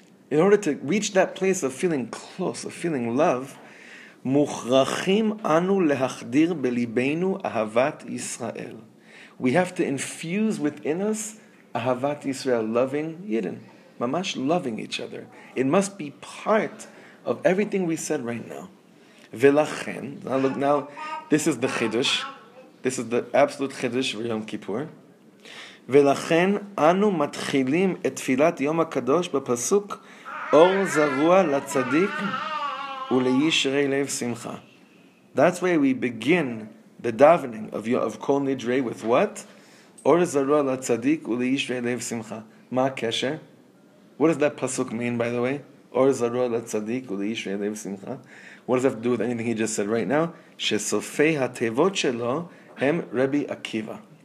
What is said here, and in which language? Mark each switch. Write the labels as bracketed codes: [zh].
[en] In order to reach that place of feeling close, of feeling love, [he] muchrachim anu lehachdir belibeinu ahavat Yisrael. [en] We have to infuse within us ahavat Yisrael, loving Yidden, mamash loving each other. It must be part of everything we said right now. Velachen, now look, now this is the chiddush. This is the absolute chiddush for Yom Kippur. [he] ולכן אנו מתחילים את תפילת יום הקדוש בפסוק אור זרוע לצדיק ולישרי לב שמחה. [en] That's why we begin the davening of Kol Nidre with what? [he] אור זרוע לצדיק ולישרי לב שמחה. מה הקשר? [en] What does that pasuk mean, by the way? [he] אור זרוע לצדיק ולישרי לב שמחה. [en] What does that have to do with anything he just said right now? [he] שסופי התיבות שלו הם רבי עקיבא.